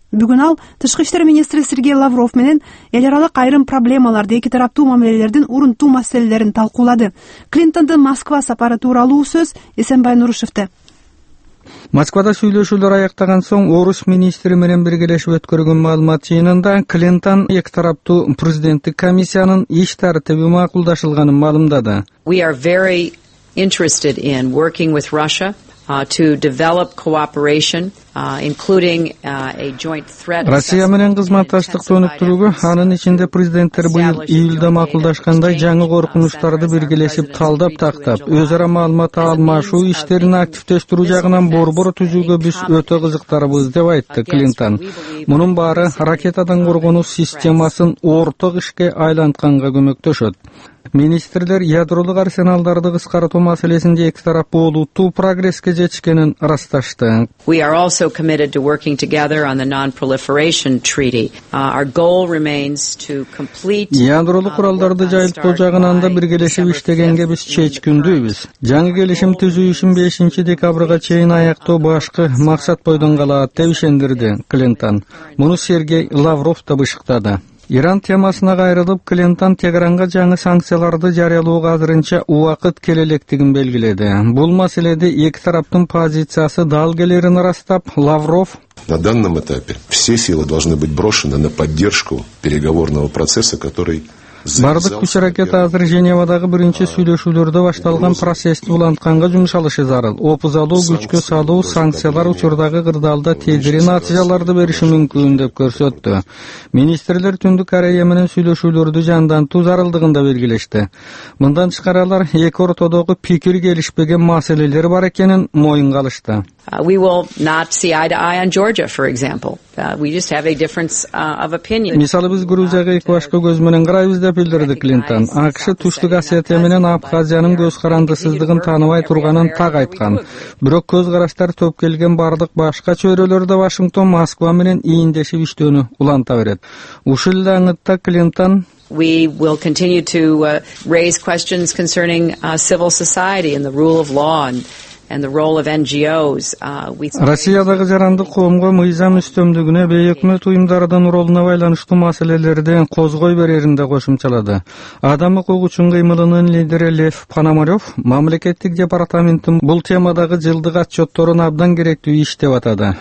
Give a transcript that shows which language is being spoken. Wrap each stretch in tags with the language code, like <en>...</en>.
<ky>Бүгүн ал тышкы иштер министри Сергей Лавров менен эл аралык айрым проблемаларды, эки тараптуу мамилелердин урунтуу маселелерин талкуулады. Клинтондун Москва сапары тууралуу сөз Эсенбай Нурушевте. Москвада сүйлөшүүлөр аяктаган соң орус министри менен биргелешип өткөргөн маалымат жыйынында Клинтон эки тараптуу президенттик комиссиянын иш тартиби макулдашылганын маалымдады.</ky> <en>We are very interested in working with Russia to develop cooperation including a joint threat.</en> <ky>Россия менен кызматташтыкты өнүктүрүүгө анын ичинде президенттер быйыл июлда макулдашкандай жаңы коркунучтарды биргелешип талдап тактап, өз ара маалымат алмашуу иштерин активдештирүү жагынан борбор түзүүгө биз өтө кызыктарбыз деп айтты Клинтон. Мунун баары ракетадан коргонуу системасын ортак ишке айлантканга көмөктөшөт. Министрлер ядролук арсеналдарды кыскартуу маселесинде эки тарап олуттуу прогресске жетишкенин ырасташты.</ky> <en>We are also committed to working together on the non-proliferation treaty. Our goal remains to complete</en> <ky>ядролук куралдарды жайылтуу жагынан да биргелешип иштегенге биз чечкиндүүбүз. Жаңы келишим түзүүшүн 5 декабрга чейин аяктоо башкы максат бойдон калат деп ишендирди Клинтон. Муну Сергей Лавров да бышыктады. Иран темасына кайрылып, Клинтон Тегеранга жаңы санкцияларды жарыялоого азырынча убакыт келе электигин белгиледи. Бул маселеде эки тараптын позициясы дал келерин ырастап, Лавров:</ky> <ru>На данном этапе все силы должны быть брошены на поддержку переговорного процесса, который</ru> <ky>бардык күч аракет азыр Женевадагы биринчи сүйлөшүүлөрдө башталган процессти улантканга жумшалышы зарыл. Опузалуу күчкө салуу санкциялар учурдагы кырдаалда тезирин натыйжаларды бериши мүмкүн деп көрсөттү. Министрлер Түндүк Корея менен сүйлөшүүлөрдү жандантуу зарылдыгын да белгилешти. Мындан тышкары алар эки ортодогу пикир келишпеген маселелер бар экенин моюнга алышты.</ky> <en>We will not see eye to eye on Georgia, for example. We just have a difference of opinion.</en> <ky>Мисалы, биз Грузияга эки башка көз менен карайбыз деп билдирди Клинтон. АКШ Түштүк Осетия менен Абхазиянын көз карандысыздыгын тааныбай турганын так айткан. Бирок көз караштар топ келген бардык башка чөйрөлөрдө Вашингтон Москва менен ийиндешип иштөөнү уланта берет. Ушул эле аңытта Клинтон:</ky> <en>We will continue to raise questions concerning civil society and the rule of law and the role of NGOs.</en> <ky>Россиядагы жарандык коомго мыйзам үстөмдүгүнө, бейөкмөт уюмдардын ролуна байланыштуу маселелерди козгой берерин да кошумчалады. Адам укугу үчүн кыймылынын лидери Лев Пономарёв мамлекеттик департаменттин бул темадагы жылдык отчётторун абдан керектүү иш деп атады.</ky>